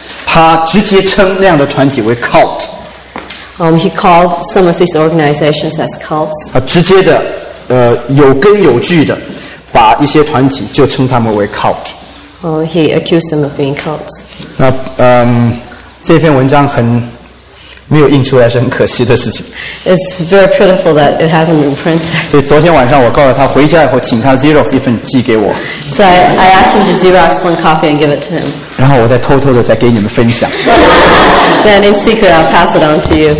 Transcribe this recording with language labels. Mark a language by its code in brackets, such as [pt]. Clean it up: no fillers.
[zh] 他直接称那样的团体为 cult. [en] He called some of these organizations as cults. [zh] 他直接的，有根有据的，把一些团体就称他们为 cult. [en] He accused them of being cults. [zh] 那这篇文章很没有印出来是很可惜的事情。 [en] It's very pitiful that it hasn't been printed. [zh] 所以昨天晚上我告诉他回家以后请他 Xerox 一份寄给我。 [en] So I asked him to Xerox one copy and give it to him. [zh] 然后我再偷偷的再给你们分享。 [en] Then in secret I'll pass it on to you.